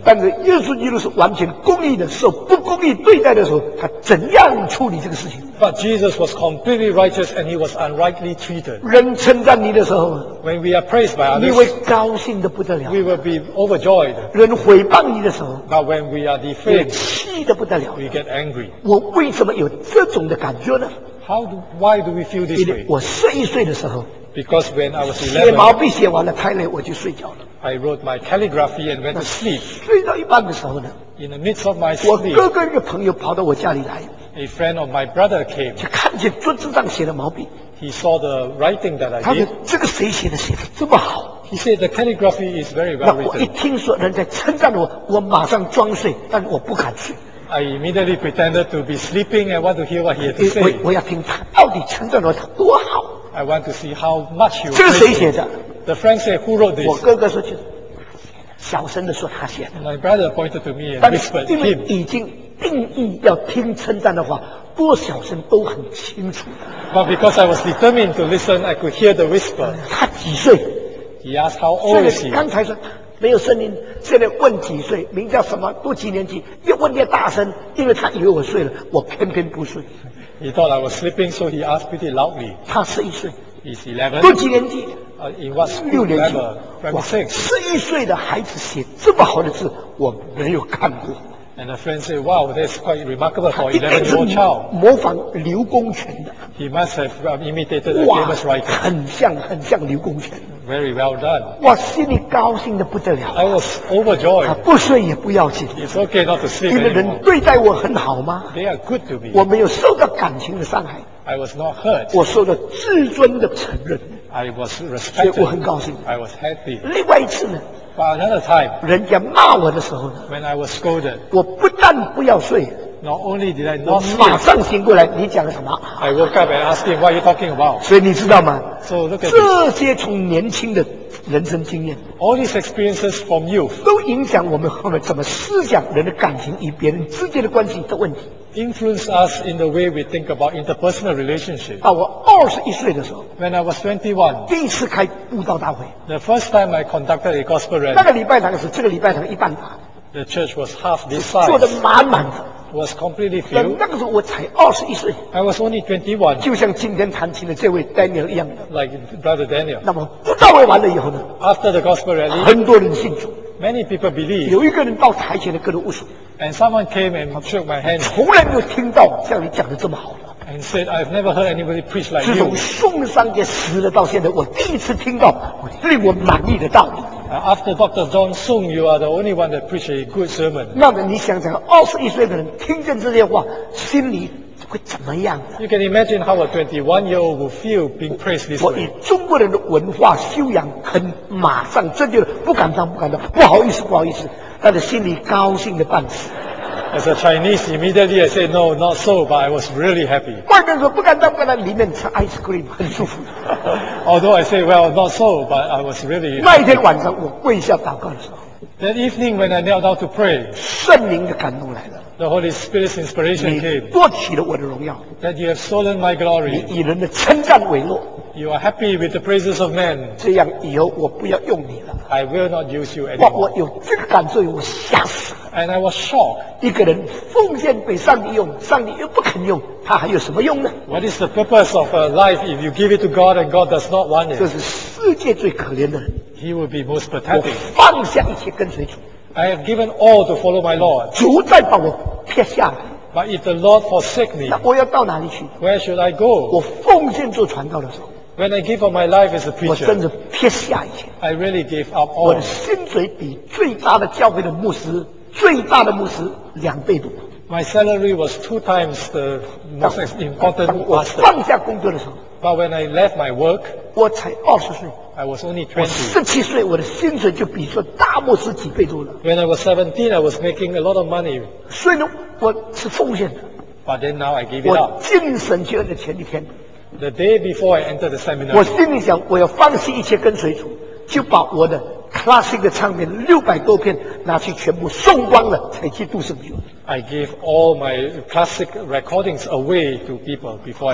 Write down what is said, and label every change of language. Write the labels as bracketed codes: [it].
[zh] 但是耶稣基督是完全公义的，受不公义对待的时候，他怎样处理这个事情 [en] ？But Jesus was completely righteous and he was unrightly treated. [zh] 人称赞你的时候 [en] ，When we are praised by others, [zh] 你会高兴得不得了。 [en] We will be overjoyed. [zh] 人毁谤你的时候 [en] ，But when we are defamed, [zh] 气得不得了。 [en] We get angry. [zh] 我为什么有这种的感觉呢？ [en] Why do we feel this way? [zh] 我11岁的时候 [en] ，Because when I was 11, [zh] 写毛笔写完了，太累，我就睡觉了。 [en] I wrote my calligraphy and went to sleep. [zh] 睡到一半的时候呢 [en] ，In the midst of my sleep, [zh] 我哥哥一个朋友跑到我家里来。 [en] A friend of my brother came. [zh] 就看见桌子上写的毛笔。 [en] He saw the writing that I did. [zh] 他说这个谁写的，写的这么好。 [en] He said the calligraphy is very well written. [zh] 那我一听说人家称赞我，我马上装睡，但我不敢去。 [en] I immediately pretended to be sleeping and want to hear what he had to say. [zh] 我要听他到底称赞我多好。 [en] I want to see how much you. [zh] 这个谁写的 [en] ？The friend said, "Who wrote this?" [zh] 我哥哥说去。小声地说他写的。 [en] My brother pointed to me and whispered him. [zh] 但因为已经定义要听称赞的话，多小声都很清楚。 [en] But because I was determined to listen, I could hear the whisper. [zh] 他几岁 [en] ？He asked how old is he? [zh] 刚才说没有声音，现在问几岁，名叫什么，读几年级，越问越大声，因为他以为我睡了，我偏偏不睡。 [en] He thought I was sleeping, so he asked pretty loudly. [zh] 他11岁。 [en] He's 11. [zh] 读几年级？ [en] In what school? [zh] 六年级。 [en] Primary six. [zh] 11岁的孩子写这么好的字，我没有看过。 [en] And a friend said, "Wow, that's quite remarkable for 11-year-old child." [zh] 模仿刘公权的。 [en] He must have imitated a famous writer. [zh] 很像，很像刘公权。 [en] Very well done. [zh] 我心里高兴得不得了。 [en] I was overjoyed. [zh] 不睡也不要紧。 [en] It's okay not to sleep. [zh] 因为人对待我很好吗 [en] ？They are good to me. [zh] 我没有受到感情的伤害。 [en] I was not hurt. [zh] 我受到自尊的承认。 [en] I was respected. [zh] 所以我很高兴。 [en] I was happy. [zh] 另外一次呢？ [en] But another time, [zh] 人家骂我的时候呢 [en] when I was scolded, [zh] 我不但不要睡 [en] not only did I not sleep, [zh] 我马上醒过来，你讲什么 [en] I woke up and asked him, what are you talking about? [zh] 所以你知道吗 [en] so look at [zh] 这些从年轻的人生经验 [en] all these experiences from youth, [zh] 都影响我们后面怎么思想人的感情与别人之间的关系的问题 [en] influence us in the way we think about interpersonal relationships. [zh] 到我21岁的时候 [en] when I was 21, [zh] 第一次开布道大会 [en] the first time I conducted a gospel rally, [zh] 那个礼拜堂是这个礼拜堂一半大 [en] the church was half this size, [zh] 坐得满满的 [en] was completely filled. [zh] 那个时候我才21岁 [en] I was only 21, [zh] 就像今天弹琴的这位 Daniel 一样的 [en] like brother Daniel. [zh] 那么布道会完了以后呢 [en] after the gospel rally, [zh] 很多人信主 [en] many people believe, [zh] 有一个人到台前的跟着握手 [en] And someone came and shook my hand. [zh] 从来没有听到像你讲的这么好。 [en] And said, I've never heard anybody preach like you. [zh] 自从宋尚杰死了到现在，我第一次听到令我满意的道理。 [en] After Dr. John Sung, you are the only one that preached a good sermon. [zh] 那么你想想，21岁的人听见这些话，心里会怎么样的 [en] ？You can imagine how a 21-year-old would feel being praised this way. [zh] 我以中国人的文化修养，很马上这就不敢当，不敢当，不好意思，不好意思。他的心里高兴的半死。 [en] As a Chinese, immediately I said, "No, not so." But I was really happy. [zh] 外面说不敢当，不敢当，里面吃 ice cream 很舒服。 [en] Although I say, "Well, not so," but I was really. [zh] 那一天晚上，我跪下祷告的时候。 [en] That evening, when I knelt down to pray, [zh] 圣灵的感动来了。 [en] The Holy Spirit's inspiration came. [zh] 你夺取了我的荣耀。 [en] That you have stolen my glory. [zh] 你以人的称赞为乐。 [en] You are happy with the praises of men. [zh] 这样以后我不要用你了。 [en] I will not use you anymore. [zh] 我有这个感受，我吓死了。 [en] And I was shocked. [zh] 一个人奉献被上帝用，上帝又不肯用，他还有什么用呢 [en] ？What is the purpose of a life if you give it to God and God does not want it? [zh] 这是世界最可怜的人。 [en] He will be most pathetic. [zh] 我放下一切跟随主。 [en] I have given all to follow my Lord. [zh] 主再把我撇下来。 [en] But if the Lord forsake me, [zh] 那我要到哪里去 [en] ？Where should I go? [zh] 我奉献做传道的时候。 [en] When I give up my life as a preacher, [zh] 我真的撇下一切。 [en] I really gave up all. [zh] 我的薪水比最大的教会的牧师、最大的牧师两倍多。 [en] My salary was two times the most important pastor. [zh] 我放下工作的时候。 [en] But when I left my work, [zh] 我才20岁。 [en] I was only 20. [zh] 我17岁，我的薪水就比说大牧师几倍多了。 [en] When I was 17, I was making a lot of money. [zh] 所以呢，我是奉献的。 [en] But then now I gave it up. [zh] 我进神学院的前一天。 [en] The day before I entered the seminar, [zh] 我心里想，我要放弃一切跟随主，就把我的 classic 的唱片600多片拿去全部送光了，才去读神学院。 [en] I gave all my classic recordings away to people before.